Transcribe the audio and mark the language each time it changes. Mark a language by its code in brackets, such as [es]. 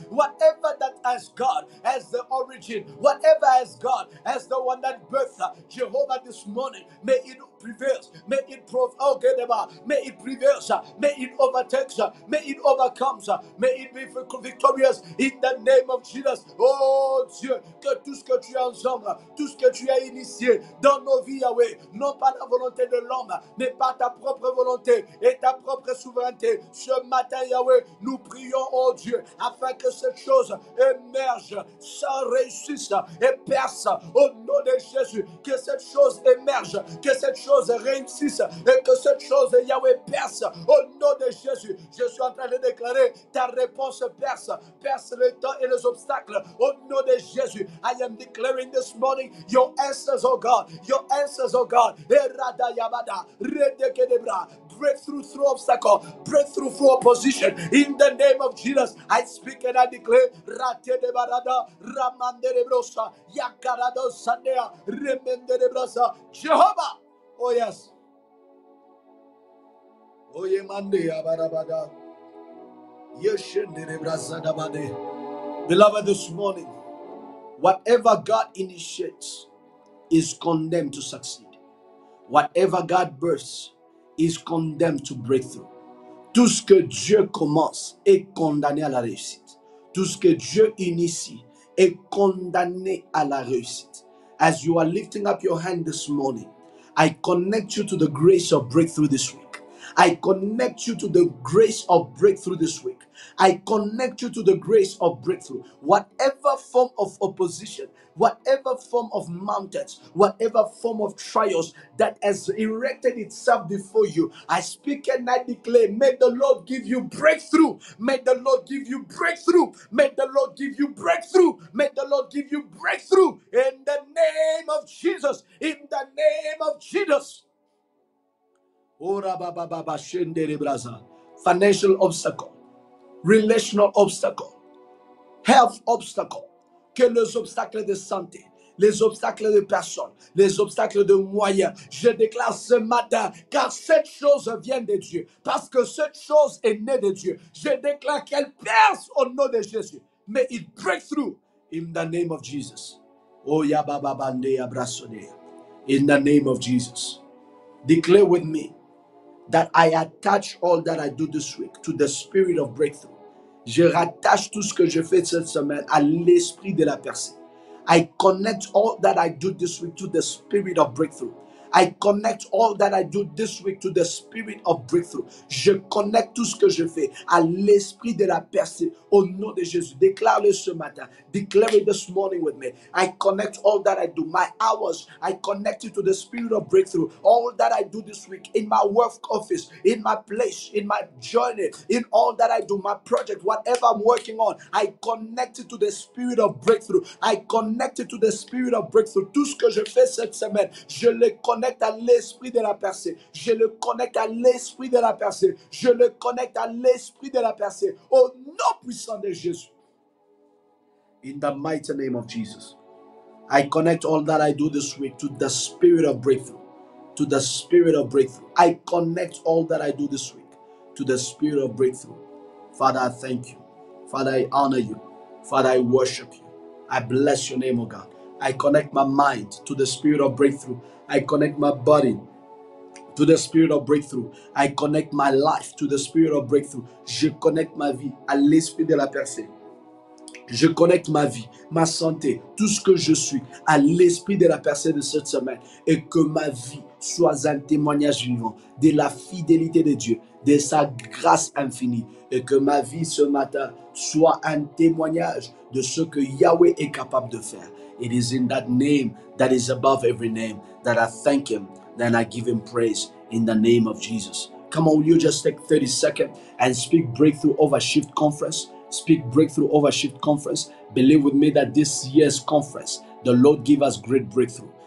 [en] Whatever that has God as the origin, whatever has God as the one that birthed Jehovah this morning, may it overcome, may it be victorious in the name of Jesus. [fr] Oh Dieu, que tout ce que tu as ensemble, tout ce que tu as initié dans nos vies, Yahweh, non pas la volonté de l'homme, mais par ta propre volonté et ta propre souveraineté, ce matin, Yahweh, nous prions, oh Dieu, afin que cette chose émerge, ça réussisse et perce au nom de Jésus, que cette chose émerge, que cette chose réussisse et que cette chose, Yahweh, perce au nom de Jésus. Je suis en train de déclarer ta réponse perce le temps et les obstacles au nom de Jésus. [en] I am declaring this morning your answers, oh God. Erada yabada, rede kedebra, breakthrough through obstacle, breakthrough through opposition. In the name of Jesus, I speak and I declare, rate de barada, ramande de brosa, yakarado sanea, remende de brosa, Jehovah. Oh yes. Oh ye mande abarabada. Yeshendere brazadabade. Beloved, this morning, whatever God initiates is condemned to succeed. Whatever God births is condemned to breakthrough. [fr] Tout ce que Dieu commence est condamné à la réussite. Tout ce que Dieu initie est condamné à la réussite. [en] As you are lifting up your hand this morning, I connect you to the grace of breakthrough this week. I connect you to the grace of breakthrough this week. I connect you to the grace of breakthrough. Whatever form of opposition, whatever form of mountains, whatever form of trials that has erected itself before you, I speak and I declare, may the Lord give you breakthrough. May the Lord give you breakthrough. May the Lord give you breakthrough. May the Lord give you breakthrough in the name of Jesus. In the name of Jesus. Financial obstacle, relational obstacle, health obstacle, [fr] que les obstacles de santé, les obstacles de personnes, les obstacles de moyens, je déclare ce matin, car cette chose vient de Dieu, parce que cette chose est née de Dieu, je déclare qu'elle perce au nom de Jésus, [en] may it break through in the name of Jesus. Oh, yababababande abrasone, in the name of Jesus. Declare with me that I attach all that I do this week to the spirit of breakthrough. [fr] Je rattache tout ce que je fais cette semaine à l'esprit de la percée. [en] I connect all that I do this week to the spirit of breakthrough. I connect all that I do this week to the spirit of breakthrough. [fr] Je connecte tout ce que je fais à l'esprit de la percée au nom de Jésus. Déclare-le ce matin. [en] Declare it this morning with me. I connect all that I do, my hours, I connect it to the spirit of breakthrough. All that I do this week in my work office, in my place, in my journey, in all that I do, my project, whatever I'm working on, I connect it to the spirit of breakthrough. I connect it to the spirit of breakthrough. [fr] Tout ce que je fais cette semaine, je le connecte à l'esprit de la percée. Je le connecte à l'esprit de la percée. Je le connecte à l'esprit de la percée. Au nom puissant de Jésus. [en] In the mighty name of Jesus, I connect all that I do this week to the spirit of breakthrough. To the spirit of breakthrough. I connect all that I do this week to the spirit of breakthrough. Father, I thank you. Father, I honor you. Father, I worship you. I bless your name, O God. I connect my mind to the spirit of breakthrough. I connect my body to the spirit of breakthrough. I connect my life to the spirit of breakthrough. [fr] Je connecte ma vie à l'esprit de la percée. Je connecte ma vie, ma santé, tout ce que je suis à l'esprit de la personne de cette semaine et que ma vie soit un témoignage vivant de la fidélité de Dieu, de sa grâce infinie et que ma vie ce matin soit un témoignage de ce que Yahweh est capable de faire. [en] It is in that name that is above every name that I thank him and I give him praise in the name of Jesus. Come on, will you just take 30 seconds and speak breakthrough over Shift Conference? Speak breakthrough over Shift Conference. Believe with me that this year's conference, the Lord give us great breakthrough.